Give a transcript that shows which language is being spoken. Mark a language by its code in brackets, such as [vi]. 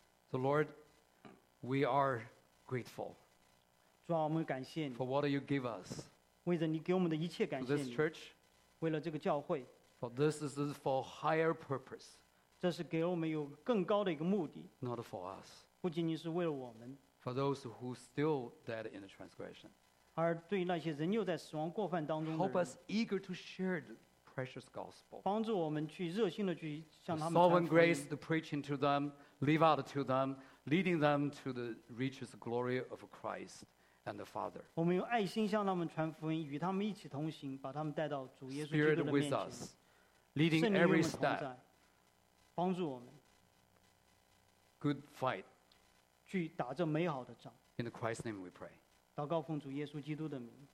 [en] So Lord, we are grateful. [zh] 主啊，我们感谢你。 [en] For what you give us. [zh] 为着你给我们的一切感谢你。 [en] For this church. [zh] 为了这个教会。 [en] For this is for higher purpose. [zh] 这是给了我们有更高的一个目的。 [en] Not for us. [zh] 不仅仅是为了我们 [en] for those who still dead in the transgression [zh] 而对那些仍旧在死亡过犯当中的人 [en] help us eager to share the precious gospel [zh] 帮助我们去热心的去向他们 [en] sovereign grace to preaching to them live out to them leading them to the richest glory of Christ and the Father [zh] 我们用爱心向他们传福音与他们一起同行把他们带到主耶稣基督的面前 [en] Spirit with us leading every step [zh] 帮助我们 [en] good fight [zh] 去打这美好的仗。 [en] In Christ's name we pray. [zh] 祷告奉主耶稣基督的名。